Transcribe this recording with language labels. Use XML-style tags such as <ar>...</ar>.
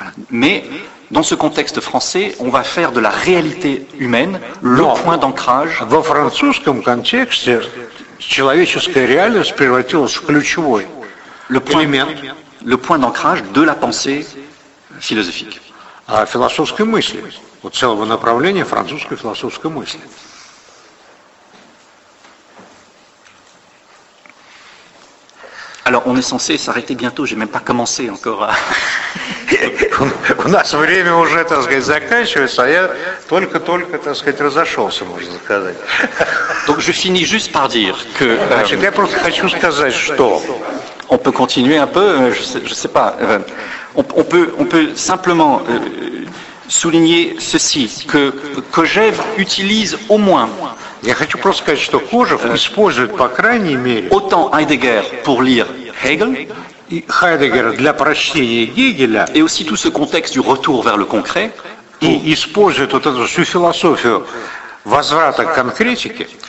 <fr>Mais dans ce contexte français, on va faire de la réalité humaine le point d'ancrage.</fr> <ru>Во французском контексте человеческая реальность превратилась в ключевой элемент.</ru> <fr>Le point d'ancrage de la pensée philosophique.</fr> <ru>Философской мысли. Вот целого направления французской философской мысли.</ru> <fr>Alors, on est censé s'arrêter bientôt, j'ai même pas commencé encore à...</fr> <ru>У нас время уже, так сказать, заканчивается, а я только-только, так сказать, разошелся, можно сказать.</ru> <fr>Donc, je finis juste par dire que...</fr> <ru>Значит, я просто хочу сказать, что...</ru> <fr>On peut continuer un peu, je sais pas. On peut simplement souligner ceci, que Kojève utilise au moins...</fr> <ru>Я хочу просто сказать, что Кожев использует, по крайней мере...</ru> <fr>Autant Heidegger pour lire Hegel...</fr> <ru>И Хайдеггер для прочтения Гегеля.</ru> <fr>Et aussi tout ce contexte du retour vers le concret.</fr> <ru>И использует вот эту всю философию возврата к конкретике.</ru>